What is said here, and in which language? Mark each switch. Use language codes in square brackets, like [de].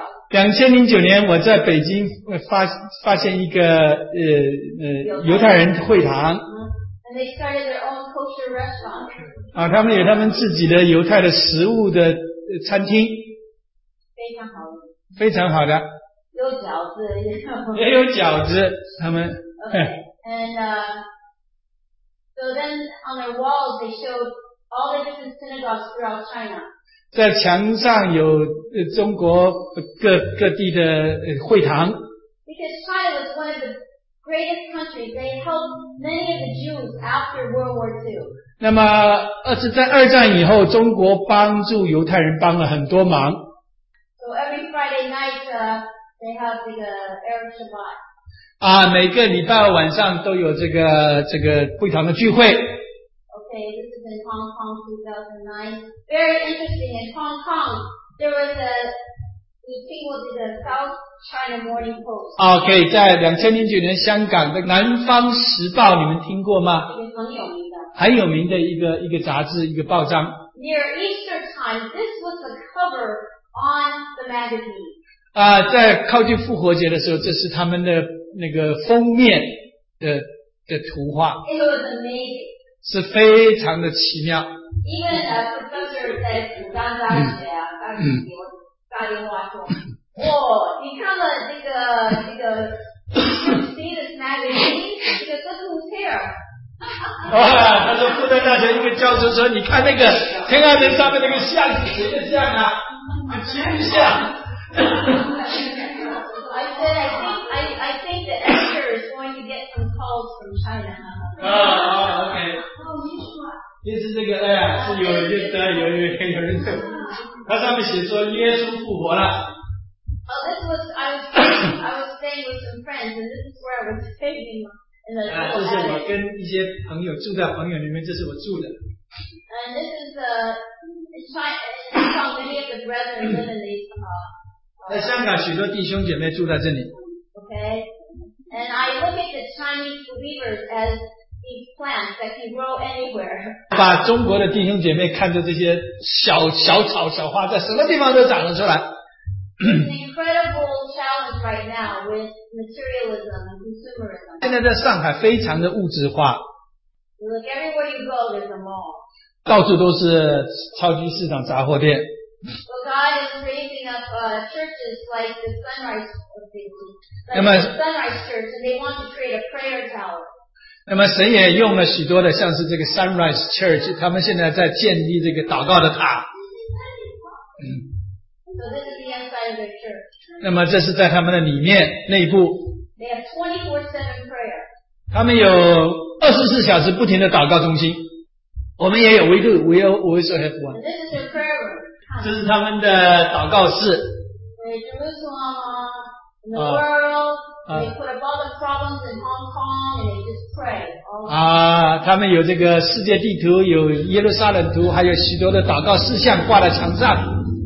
[zh] 2009年我在北京 发现一个犹太人会堂。 [en] And they started their own kosher restaurant. [zh] 他们有他们自己的犹太的食物的餐厅。非常好。非常好的。 [en] Okay, [zh] 有饺子，也有饺子，他们。 [en] Okay. And so then on their walls they showed all the different synagogues throughout China. [zh] 在墙上有中国各地的会堂。 [en] Because China was one of the greatest countries, they helped many of the Jews after World War II. [zh] 那么在二战以后，中国帮助犹太人帮了很多忙。 [en] So every Friday night, they have the Arab Shabbat. [zh] 啊，每个礼拜晚上都有这个会堂的聚会。 [en] Okay, this is in Hong Kong, 2009. Very interesting. In Hong Kong, there was a people did a South China Morning Post. [zh] Okay, 在2009年香港的《南方时报》，你们听过吗？也很有名的。很有名的一个杂志，一个报章。 [en] Near Easter time, this was a cover on the magazine. [zh] 啊，在靠近复活节的时候，这是他们的那个封面的图画。 [en] It was amazing. [zh] 是非常的奇妙。 [en] Even a professor at Fudan [zh] 大学啊，大学给我打电话说，哇，你看了这个 ， [en] see this magazine? This is here. [zh] 哇，他说复旦大学一个教授说，你看那个天安门上面那个像是谁的像啊？很奇不像。 [en] I said I think the editor is going to get some calls from China. 啊 ，OK。哦， [zh] 你说。就是这个，哎呀，是有人，他上面写说耶稣复活了。 [en] Oh, this was I was staying with some friends, and this is where I was staying. [zh] 这是我跟一些朋友住在朋友里面，这是我住的。 [en] And this is China, many of the brethren live in these. [zh] 在香港，许多弟兄姐妹住在这里。 [en] Okay, and I look at the Chinese believers as these plants that can grow anywhere. [zh] 把中国的弟兄姐妹看作这些小小草、小花，在什么地方都长得出来。 [en] Incredible challenge right now with materialism and consumerism. [zh] 现在在上海非常的物质化。 [en] Look everywhere you go, there's a mall. [zh] 到处都是超级市场、杂货店。 [en] So God is raising up churches like the Sunrise Church, and they want to create a prayer tower. [zh] 那么神也用了许多的，像是这个 Sunrise Church， 他们现在在建立这个祷告的塔。 [en] So this is the inside of their church. [zh] 那么这是在他们的里面内部。 [en] They have 24/7 prayer. [zh] 他们有24小时不停的祷告中心。我们也有 [en] we do, we also have one. This is their prayer room. [zh] 这是他们的祷告室。 [en] They do Islam, in the world, they put all the problems in Hong Kong and they just pray. [zh] 啊，他们有这个世界地图，有耶路撒冷图，还有许多的祷告事项挂在墙上。